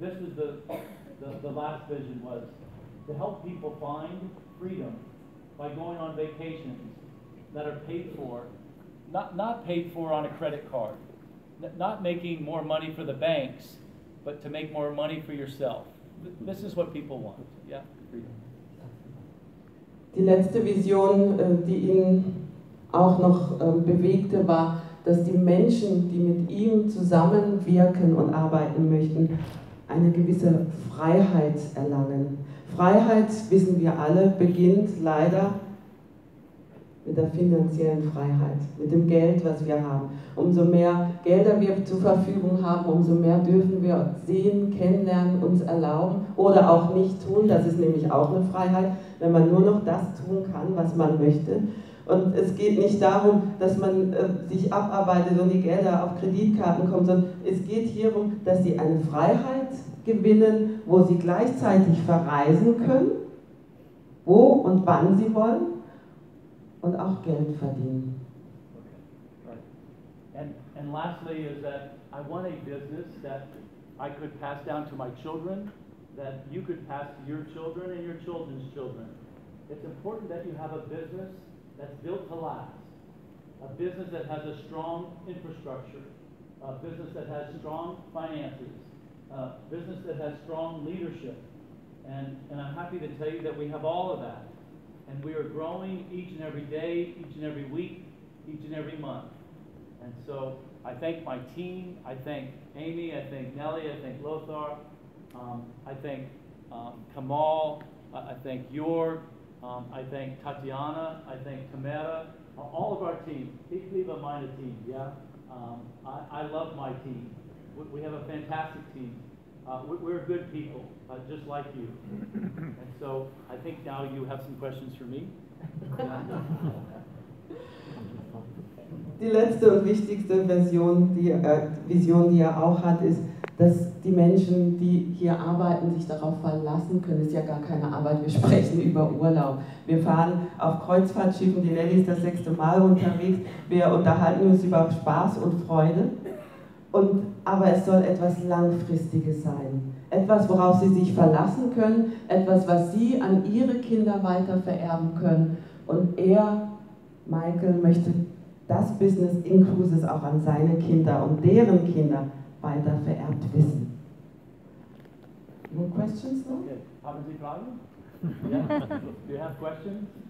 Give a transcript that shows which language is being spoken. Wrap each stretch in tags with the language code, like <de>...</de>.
<en>This is the last vision was to help people find freedom by going on vacations that are paid for, not paid for on a credit card, not making more money for the banks, but to make more money for yourself. This is what people want. Yeah.</en> <de>Die letzte Vision, die ihn auch noch bewegte, war, dass die Menschen, die mit ihm zusammenwirken und arbeiten möchten, eine gewisse Freiheit erlangen. Freiheit, wissen wir alle, beginnt leider mit der finanziellen Freiheit, mit dem Geld, was wir haben. Umso mehr Gelder wir zur Verfügung haben, umso mehr dürfen wir sehen, kennenlernen, uns erlauben oder auch nicht tun. Das ist nämlich auch eine Freiheit, wenn man nur noch das tun kann, was man möchte. Und es geht nicht darum, dass man sich abarbeitet und die Gelder auf Kreditkarten kommen, sondern es geht hierum, dass sie eine Freiheit gewinnen, wo sie gleichzeitig verreisen können, wo und wann sie wollen, und auch Geld verdienen.</de> <en>Okay. Right. And lastly is that I want a business that I could pass down to my children, that you could pass to your children and your children's children. It's important that you have a business that's built to last, a business that has a strong infrastructure, a business that has strong finances, a business that has strong leadership. And I'm happy to tell you that we have all of that. And we are growing each and every day, each and every week, each and every month. And so I thank my team, I thank Amy, I thank Nelly, I thank Lothar, I thank Kamal, I thank Jörg, I thank Tatiana, I thank Tamara, all of our team.</en> <de>Ich liebe meine team, yeah?</de> <en>I love my team. We have a fantastic team. We're good people. Just like you. And so I think now you have some questions for me.</en> <de>Die letzte und wichtigste Vision, die er auch hat, ist, dass die Menschen, die hier arbeiten, sich darauf verlassen können. Es ist ja gar keine Arbeit, wir sprechen über Urlaub. Wir fahren auf Kreuzfahrtschiffen, die Nelly ist das sechste Mal unterwegs. Wir unterhalten uns über Spaß und Freude. Aber es soll etwas Langfristiges sein. Etwas, worauf sie sich verlassen können, etwas, was sie an ihre Kinder weiter vererben können. Und er, Michael, möchte das Business in Cruises auch an seine Kinder und deren Kinder weiter vererbt wissen.</de> <en>More questions now?</en> <de>Okay. Haben Sie Fragen?</de> <en>Yeah. Do you have questions?</en>